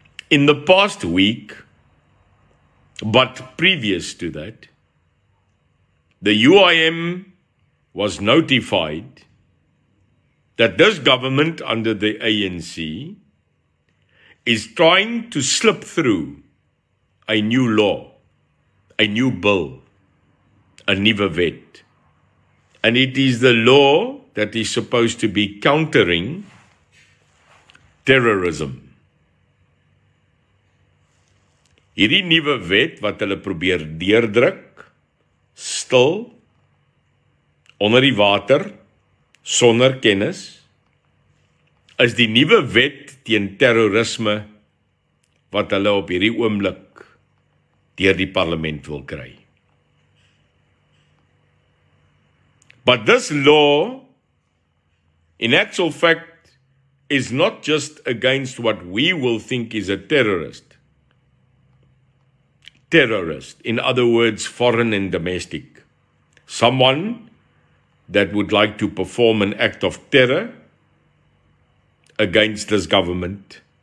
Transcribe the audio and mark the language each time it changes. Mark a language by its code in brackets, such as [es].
[en] In the past week, but previous to that, the UIM was notified that this government under the ANC is trying to slip through a new law, a new bill, a [af] nuwe wet. [en] And it is the law that is supposed to be countering terrorism. [af] Hierdie nuwe wet wat hulle probeer deurdruk, stil, onder die water, sonder kennis, is die nuwe wet teen terrorisme wat hulle op hierdie oomblik deur die parlement wil kry. [en] But this law, in actual fact, is not just against what we will think is a terrorist. Terrorist, in other words, foreign and domestic. Someone that would like to perform an act of terror against this government.